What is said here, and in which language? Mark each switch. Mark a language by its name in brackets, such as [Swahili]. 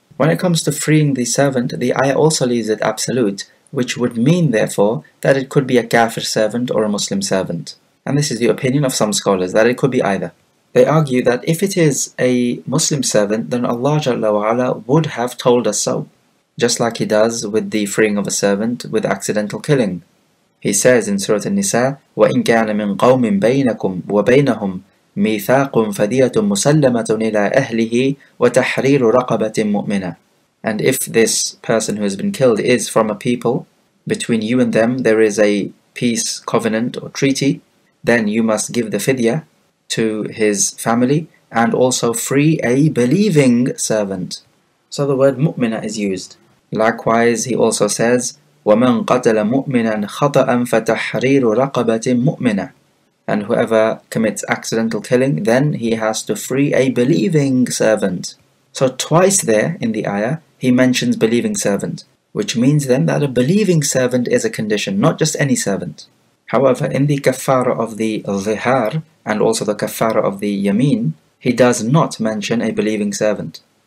[English] When it comes to freeing the servant, the ayah also leaves it absolute, which would mean, therefore, that it could be a kafir servant or a Muslim servant. And this is the opinion of some scholars, that it could be either. They argue that if it is a Muslim servant, then Allah Jalla wa'ala would have told us so, just like He does with the freeing of a servant with accidental killing. He says in Surah An-Nisa, [Arabic] وَإِنْ كَانَ مِنْ قَوْمٍ بَيْنَكُمْ وَبَيْنَهُمْ مِيثَاقٌ فَدِيَةٌ مُسَلَّمَةٌ إِلَىٰ أَهْلِهِ وَتَحْرِيرُ رَقَبَةٍ مُؤْمِنَةٍ. [English] And if this person who has been killed is from a people, between you and them there is a peace covenant or treaty, then you must give the fidya to his family and also free a believing servant. So the word mu'mina is used. Likewise, he also says, [Arabic] وَمَنْ قَتَلَ مُؤْمِنًا خَطَأً فَتَحْرِيرُ رَقَبَةٍ مُؤْمِنَةٍ. [English] And whoever commits accidental killing, then he has to free a believing servant. So twice there in the ayah, he mentions believing servant, which means then that a believing servant is a condition, not just any servant. However, in the kafara of the dhihar, and also the kafara of the yameen, he does not mention a believing servant.